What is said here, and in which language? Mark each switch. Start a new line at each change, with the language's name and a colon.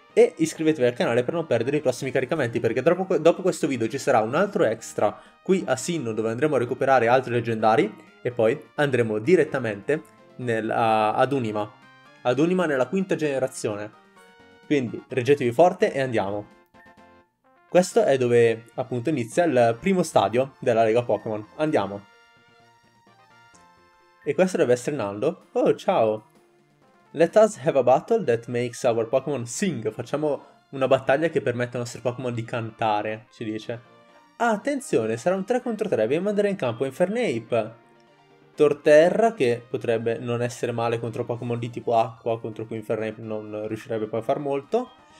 Italian: E iscrivetevi al canale per non perdere i prossimi caricamenti, perché dopo questo video ci sarà un altro extra qui a Sinnoh dove andremo a recuperare altri leggendari e poi andremo direttamente ad Unima nella quinta generazione. Quindi reggetevi forte e andiamo. Questo è dove appunto inizia il primo stadio della Lega Pokémon. Andiamo. E questo deve essere Nando. Oh, ciao.
English: Let us have a battle that makes our Pokémon sing.
Italian: Facciamo una battaglia che permette ai nostri Pokémon di cantare, ci dice. Ah, attenzione, sarà un 3 contro 3. Vi manderò in campo Infernape. Torterra, che potrebbe non essere male contro Pokémon di tipo acqua, contro cui Infernape non riuscirebbe poi a far molto.